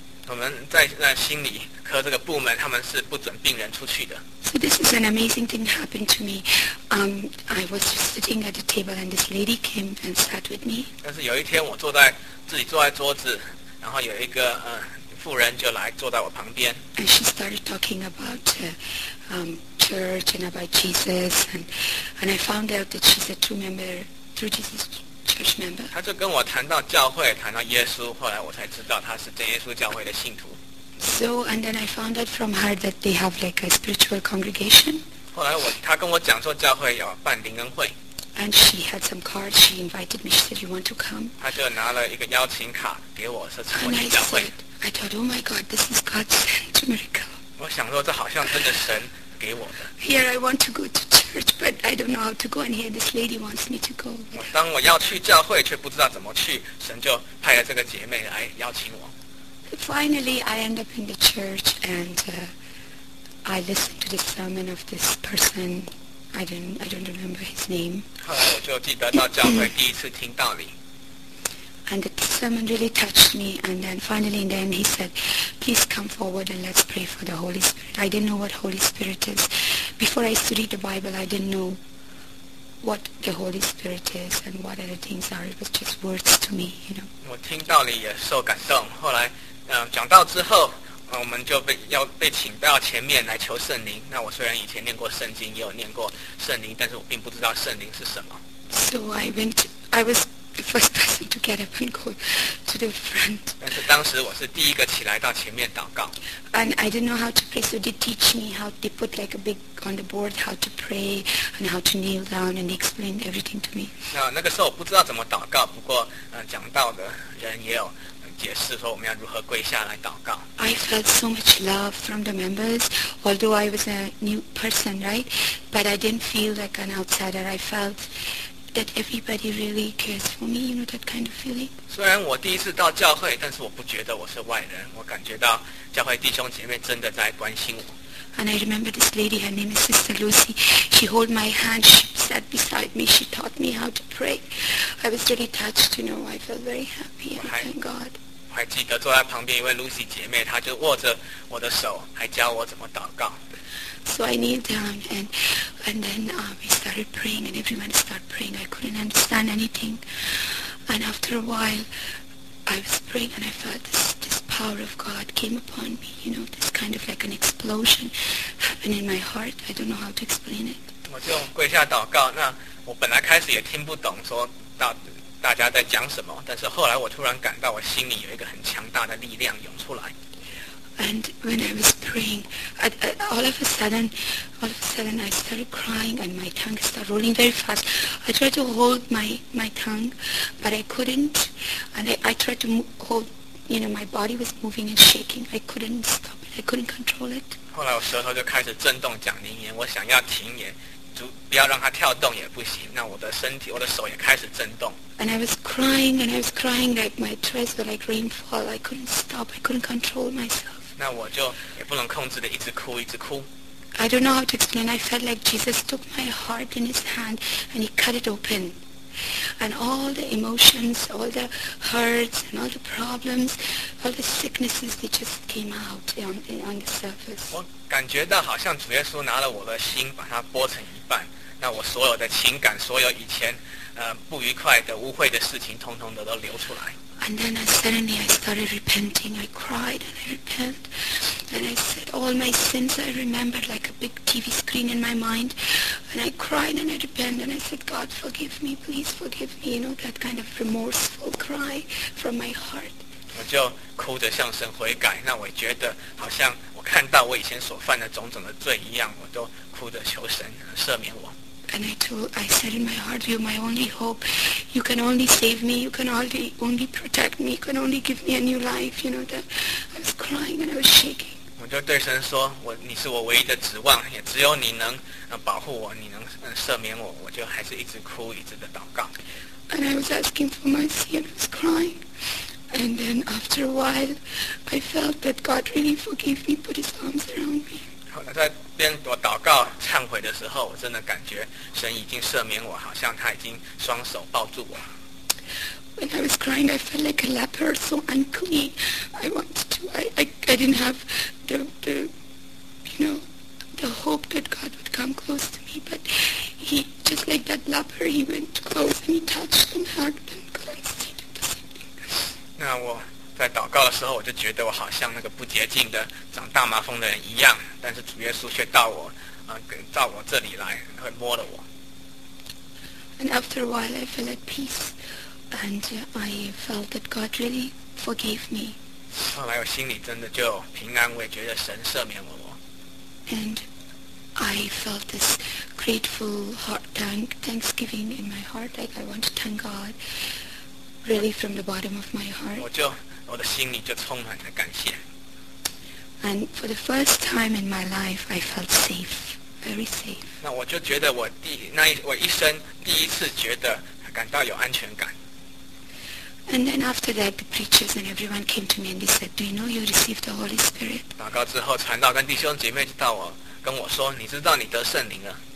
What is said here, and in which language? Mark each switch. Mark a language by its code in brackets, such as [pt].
[zh] 我们在心理科这个部门，他们是不准病人出去的。 [en] So this is an amazing thing that happened to me. I was just sitting at the table, and this lady came and sat with me. [zh] 但是有一天，我坐在自己坐在桌子，然后有一个妇人就来坐在我旁边。 [en] And she started talking about church and about Jesus, and I found out that she's a true Jesus Church member. [zh] 她就跟我谈到教会，谈到耶稣，后来我才知道她是真耶稣教会的信徒。 [en] So and then I found out from her that they have like a spiritual congregation. [zh] 后来她跟我讲说教会有办灵恩会。 [en] And she had some cards. She invited me. She said, "You want to come?" [zh] 她就拿了一个邀请卡给我，说成为教会。 [en] I thought, oh my God, this is God's sent miracle. [zh] 我想说，这好像真的神给我的。 [en] Here I want to go to church, but I don't know how to go. And here this lady wants me to go. [zh] 当我要去教会，却不知道怎么去，神就派了这个姐妹来邀请我。 [en] Finally, I end up in the church, and I listen to the sermon of this person. I don't remember his name. [zh] 后来我就记得到教会第一次听道理。 [en] And the sermon really touched me. And then finally, and then he said, "Please come forward and let's pray for the Holy Spirit." I didn't know what Holy Spirit is. Before I used to read the Bible, I didn't know what the Holy Spirit is and what other things are. It was just words to me, you know. [zh] 我听道理也受感动。后来，讲道之后，我们就被请到前面来求圣灵。那我虽然以前念过圣经，也有念过圣灵，但是我并不知道圣灵是什么。 [en] So I went. I was. The first person to get up and go to the front. [zh] 但是当时我是第一个起来到前面祷告。 [en] And I didn't know how to pray, so they teach me how they put like a big on the board how to pray and how to kneel down, and explain everything to me. [zh] 那个时候我不知道怎么祷告，不过讲道的人也有解释说我们要如何跪下来祷告。 [en] I felt so much love from the members, although I was a new person, right? But I didn't feel like an outsider. I felt. That everybody really cares for me, you know that kind of feeling. [zh] 虽然我第一次到教会，但是我不觉得我是外人。我感觉到教会弟兄姐妹真的在关心我。 [en] And I remember this lady, her name is Sister Lucy. She held my hand, she sat beside me, she taught me how to pray. I was really touched, you know. I felt very happy and thank God. [zh] 我还记得坐在旁边一位 Lucy 姐妹，她就握着我的手，还教我怎么祷告。 [en] So I kneeled down and then we started praying and everyone started praying. I couldn't understand anything. And after a while, I was praying and I felt this power of God came upon me. You know, this kind of like an explosion happened in my heart. I don't know how to explain it. [zh] 我就跪下祷告。那我本来开始也听不懂说大家在讲什么，但是后来我突然感到我心里有一个很强大的力量涌出来。 [en] And when I was praying, all of a sudden, I started crying, and my tongue started rolling very fast. I tried to hold my tongue, but I couldn't. And I tried to hold, you know, my body was moving and shaking. I couldn't stop it. I couldn't control it. [zh] 后来我舌头就开始震动讲灵言，我想要停也，不要让它跳动也不行。那我的身体，我的手也开始震动。 [en] And I was crying, and I was crying like my tears were like rainfall. I couldn't stop. I couldn't control myself. [zh] 那我就也不能控制的一直哭一直哭。 [en] I don't know how to explain. I felt like Jesus took my heart in his hand and he cut it open. And all the emotions, all the hurts and all the problems, all the sicknesses, they just came out on the surface. [zh] 我感觉到好像主耶稣拿了我的心把它剥成一半，那我所有的情感，所有以前不愉快的污秽的事情通通的都流出来。 [en] And then suddenly I started repenting. I cried and I repent. And I said, all my sins I remembered like a big TV screen in my mind. And I cried and I repented. And I said, God, forgive me. Please forgive me. You know, that kind of remorseful cry from my heart. [zh] 我就哭着向神悔改。那我觉得好像我看到我以前所犯的种种的罪一样，我都哭着求神赦免我。 [en] And I said in my heart, you're my only hope. You can only save me. You can only protect me. You can only give me a new life. You know that I was crying and I was shaking. [zh] 我就对神说，你是我唯一的指望，也只有你能保护我，你能赦免我。我就还是一直哭，一直的祷告。 [en] And I was asking for mercy and I was crying. And then after a while, I felt that God really forgave me, put his arms around me. [zh] 在边我祷告忏悔的时候，我真的感觉神已经赦免我，好像他已经双手抱住我。 [en] When I was crying, I felt like a leper, so unclean. I wanted to, I didn't have the, you know, the hope that God would come close to me. But he, just like that leper, he went close and he touched and hugged and cleansed me. [zh] 那我在祷告的时候，我就觉得我好像那个不洁净的长大麻风的人一样，但是主耶稣却到我到我这里来，会摸了我。 [en] And after a while I felt at peace and I felt that God really forgave me. [zh] 后来我心里真的就平安，我也觉得神赦免了我。 [en] And I felt this grateful heart, thanksgiving in my heart, like I want to thank God really from the bottom of my heart. [zh] 我的心里就充满了感谢。 [en] And for the first time in my life, I felt safe. Very safe. [zh] 那我就觉得我一生第一次觉得感到有安全感。 [en] And then after that, the preachers and everyone came to me and they said, "Do you know you received the Holy Spirit?" [zh] 祷告之后，传道跟弟兄姐妹就到我跟我说，你知道你得圣灵了。